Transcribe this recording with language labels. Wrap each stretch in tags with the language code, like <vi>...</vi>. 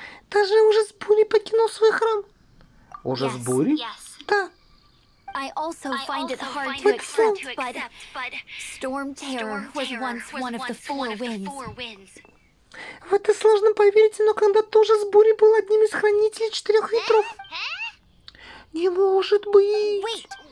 <ru>Даже ужас бури покинул свой храм. Ужас бури? Да.</ru> <en>I also find it hard to accept, but storm terror was once one of the four winds.</en> <ru>В это сложно поверить, но когда тоже с бурей был одним из хранителей четырех ветров. Не может быть!</ru>